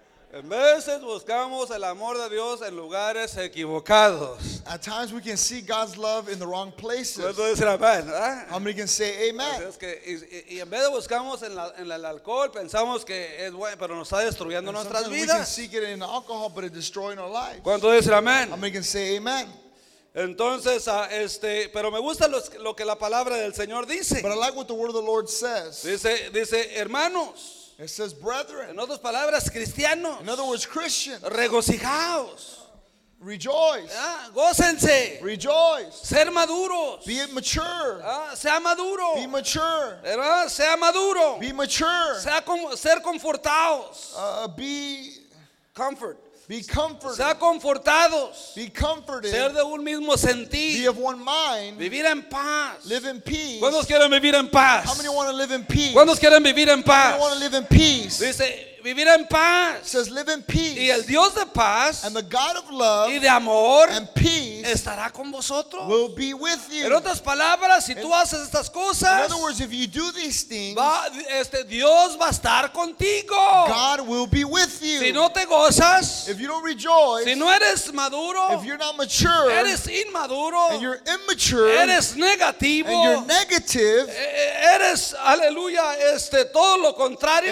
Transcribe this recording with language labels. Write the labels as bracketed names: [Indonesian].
[Spanish] En veces buscamos el amor de Dios en lugares equivocados. [English] At times we can see God's love in the wrong places. [Spanish] ¿Cuánto dicen amén? [English] How many can say amen? [Spanish] Es que y en vez de buscamos en el alcohol, pensamos que es bueno, pero nos está destruyendo nuestras vidas. [English] We can seek it in alcohol, but it's destroying our lives. [Spanish] ¿Cuánto dicen amén? [English] How many can say amen? [Spanish] Entonces, pero me gusta lo que la palabra del Señor dice. [English] But I like what the word of the Lord says. [Spanish] Dice hermanos. [English] It says brethren. [Spanish] En otras palabras, cristianos. [English] In other words, Christians. [Spanish] Regocijaos. [English] Rejoice. [Spanish] Gócense. [English] Rejoice. [Spanish] Ser maduros. [English] Be mature. [Spanish] Sea maduro. [English] Be mature. [Spanish] Sea maduro. [English] Be mature. [Spanish] Sea ser confortados. [English] Be comfort. Be comforted. [Spanish] Sea confortados. [English] Be comforted. [Spanish] Ser de un mismo sentir. [English] Be of one mind. [Spanish] Vivir en paz. [English] Live in peace. [Spanish] ¿Cuántos quieren vivir en paz? [English] How many want to live in peace? [Spanish] ¿Cuántos quieren vivir en paz? [English] How many want to live in peace? [Spanish] Dice vivir en paz. [English] It says live in peace. [Spanish] Y el Dios de paz. [English] And the God of love. [Spanish] Y de amor. [English] And peace. [Spanish] Estará con vosotros. [English] Will be with you. [Spanish] En otras palabras, si tú haces estas cosas. [English] In other words, if you do these things. [Spanish] Dios va a estar contigo. [English] God will be with you. [Spanish] Si no te gozas. [English] If you don't rejoice. [Spanish] Si no eres maduro. [English] If you're not mature. [Spanish] Eres inmaduro. [English] And you're immature. [Spanish] Eres negativo. [English] And you're negative. [Spanish] Eres, aleluya, todo lo contrario.